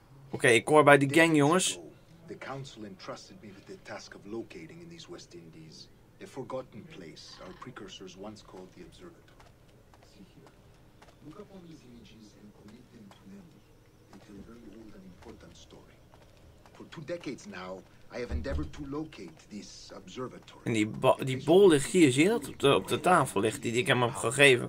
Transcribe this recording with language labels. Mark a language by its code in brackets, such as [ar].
[nl] Oké, ik hoor bij de gang, jongens. [en] The council entrusted me with the task of locating in these West Indies a forgotten place our precursors once called the observatory. See here. Look up on these images and connect them to memory. They tell a very old and important story. For two decades now, I have endeavored to locate this observatory. [nl] En die bol ligt hier, zie je dat? Op de tafel ligt die ik hem heb gegeven.